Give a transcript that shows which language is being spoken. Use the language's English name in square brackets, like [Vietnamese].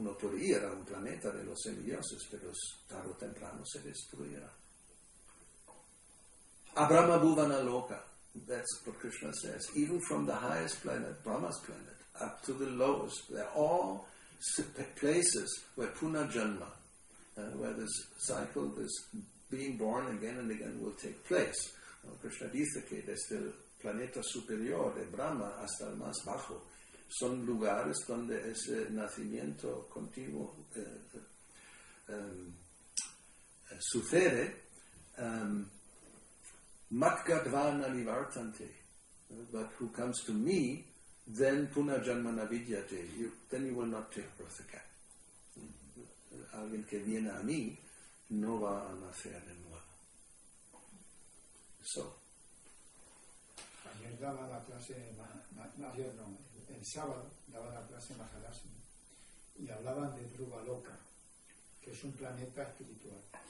[Spanish] Uno puede ir a un planeta de los semidioses, pero tarde o temprano se destruirá. [English] Abrahma Bhuvana Loka. That's what Krishna says. Even from the highest planet, Brahma's planet, up to the lowest, they're all places where puna janma, where this cycle, this being born again and again, will take place. [Spanish] Krishna dice que desde el planeta superior de Brahma hasta el más bajo son lugares donde ese nacimiento continuo sucede. [Sanskrit] Matgadvana nivartante, [English] but who comes to me, then [Sanskrit] puna janma na vidyate, [English] then you will not take birth again. [Spanish] Alguien que viene a mí no va a nacer de nuevo. [English] So. [Spanish] Ayer daba la clase, el sábado daba la clase en Maharashtra y hablaban de Dhruva Loka, que es un planeta espiritual.